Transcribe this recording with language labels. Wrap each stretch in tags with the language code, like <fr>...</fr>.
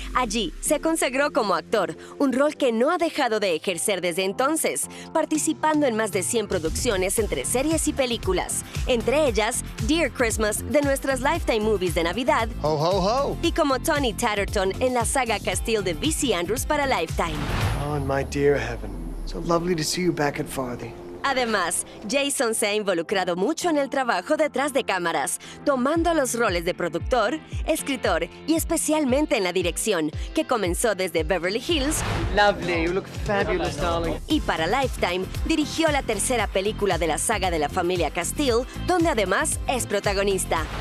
<es>Allí se consagró como actor, un rol que no ha dejado de ejercer desde entonces, participando en más de 100 producciones entre series y películas, entre ellas Dear Christmas de nuestras Lifetime Movies de Navidad, ho, ho, ho, y como Tony Tatterton en la saga Castiel de V.C. Andrews para Lifetime.</es> <en>Oh, and my dear heaven, so lovely to see you back at Farthing.</en> <es>Además, Jason se ha involucrado mucho en el trabajo detrás de cámaras, tomando los roles de productor, escritor y especialmente en la dirección, que comenzó desde Beverly Hills.</es> <en>Lovely, you look fabulous, darling.</en> <es>Y para Lifetime, dirigió la tercera película de la saga de la familia Castile, donde además es protagonista.</es>